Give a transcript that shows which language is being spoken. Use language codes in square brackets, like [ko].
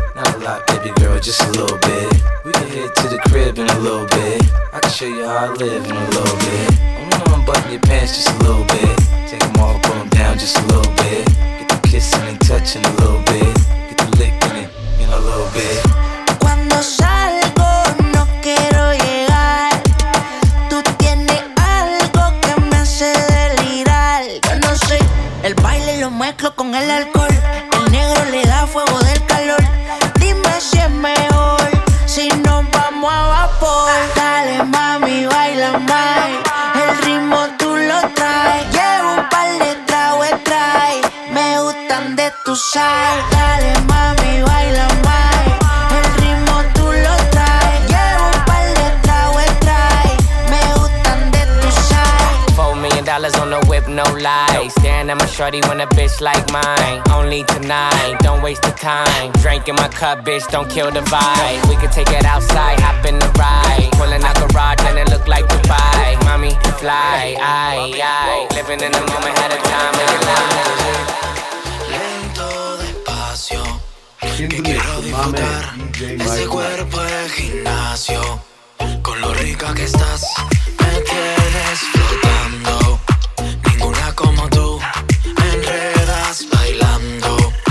[en] Not a lot, baby girl, just a little bit. We can head to the crib in a little bit. I can show you how I live in a little bit. Button your pants just a little bit. Take them all, put them down just a little bit. Get the kissing and touching a little bit. Get the licking it in a little bit. [es] Cuando salgo, no quiero llegar. Tú tienes algo que me hace delirar. Yo no sé, el baile lo mezclo con el alcohol. El negro le da fuego del calor. Dime si es mejor, si nos vamos a vapor. Dale mami, baila mai. Dale mami, baila mai. El ritmo tú lo traes. Llevo un par de tragos, trae. Me gustan de tu side. [en] $4 million on the whip. no lies. Damn, I'm a shorty when a bitch like mine. Only tonight, don't waste the time. Drink in my cup, bitch, don't kill the vibe. We could take it outside, hop in the ride. Pulling out garage and it look like Dubai. Mommy, fly, aye. Living in the moment, had a time in your life. [es] Lento, despacio. Que quiero disfrutar ese cuerpo de gimnasio. Con lo rica que estás, me tienes flotando. Ninguna como tú, me enredas bailando.